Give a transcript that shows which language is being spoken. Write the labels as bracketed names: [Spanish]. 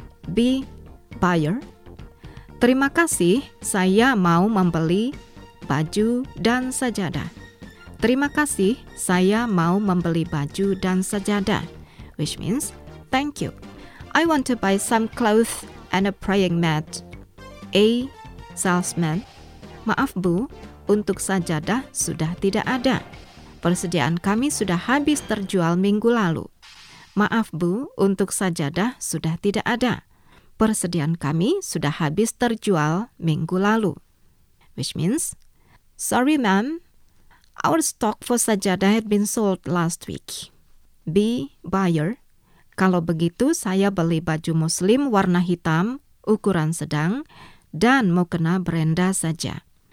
[English] B buyer. [Indonesian] Terima kasih, saya mau membeli baju dan sajadah. Terima kasih, saya mau membeli baju dan sajadah. [English] Which means, thank you. I want to buy some clothes and a praying mat. A salesman. [Indonesian] Maaf bu, untuk sajadah sudah tidak ada. Persediaan kami sudah habis terjual minggu lalu. Maaf bu, untuk sajadah sudah tidak ada. Persediaan kami sudah habis terjual minggu lalu. [English] Which means, sorry ma'am, our stock for sajadah had been sold last week. B buyer. [Indonesian] Kalau begitu saya beli baju muslim warna hitam ukuran sedang dan mukena berenda saja.